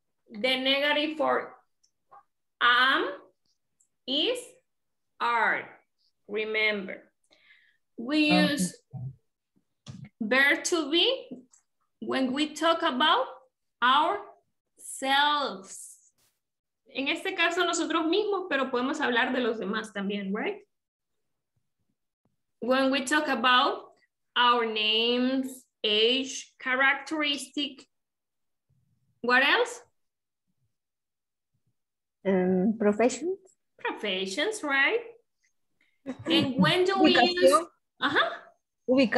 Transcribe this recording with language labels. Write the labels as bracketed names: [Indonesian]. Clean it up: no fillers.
[English] The negative for am is are. Remember, we use verb to be when we talk about ourselves. [Spanish] En este caso, nosotros mismos, pero podemos hablar de los demás también, right? [English] When we talk about our names, age, characteristic, what else? Professions, right? And when do we use Uh-huh.